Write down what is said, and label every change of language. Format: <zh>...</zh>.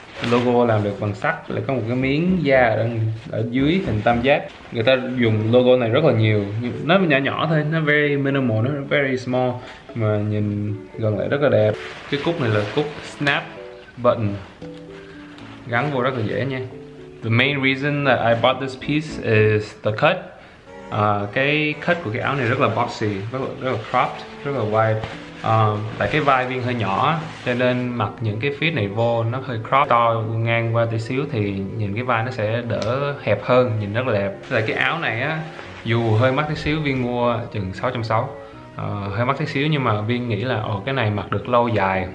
<vi>Logo làm được bằng sắt, lại có một cái miếng da ở dưới hình tam giác. Người ta dùng logo này rất là nhiều. Nó nhỏ nhỏ thôi, nó</vi> <en>very minimal,</en> <vi>nó</vi> <en>very small,</en> <vi>mà nhìn gần lại rất là đẹp. Cái cúc này là cúc snap button, gắn vô rất là dễ nha.</vi> <en>The main reason that I bought this piece is the cut.</en> <vi>Cái cut của cái áo này rất là boxy, rất là cropped, rất là wide. Tại cái vai Viên hơi nhỏ cho nên mặc những cái fit này vô nó hơi crop to ngang qua tí xíu thì nhìn cái vai nó sẽ đỡ hẹp hơn, nhìn rất là đẹp. Tại cái áo này á, dù hơi mắc tí xíu, Viên mua chừng 660, hơi mắc tí xíu nhưng mà Viên nghĩ là cái này mặc được lâu dài.</vi>